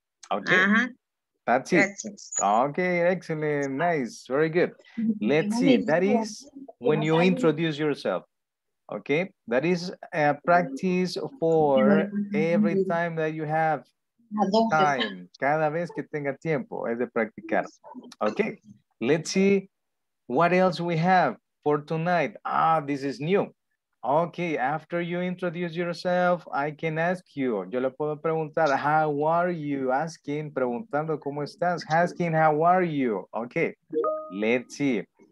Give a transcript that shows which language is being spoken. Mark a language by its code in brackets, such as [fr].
[en] Okay, that's it. Okay, excellent, nice, very good. Let's see, that is when you introduce yourself. Okay, that is a practice for every time that you have time. [es] Cada vez que tenga tiempo, es de practicar. [en] Okay, let's see what else we have for tonight. Ah, this is new. Okay, after you introduce yourself, I can ask you. [es] Yo le puedo preguntar, [en] how are you? Asking, [es] preguntando, ¿cómo estás? [en] Asking, how are you? Okay, let's see.